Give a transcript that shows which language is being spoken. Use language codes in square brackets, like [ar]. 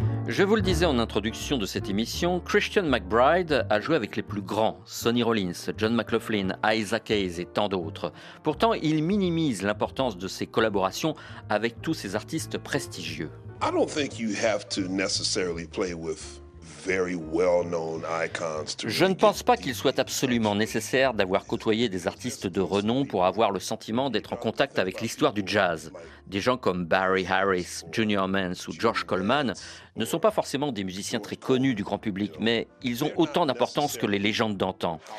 [fr] Je vous le disais en introduction de cette émission, Christian McBride a joué avec les plus grands, Sonny Rollins, John McLaughlin, Isaac Hayes et tant d'autres. Pourtant, il minimise l'importance de ses collaborations avec tous ces artistes prestigieux. [en] I don't think you have to necessarily play with very well-known icons. [fr] Je ne pense pas qu'il soit absolument nécessaire d'avoir côtoyé des artistes de renom pour avoir le sentiment d'être en contact avec l'histoire du jazz. Des gens comme Barry Harris, Junior Mans ou George Coleman ne sont pas forcément des musiciens très connus du grand public, mais ils ont autant d'importance que les légendes d'antan.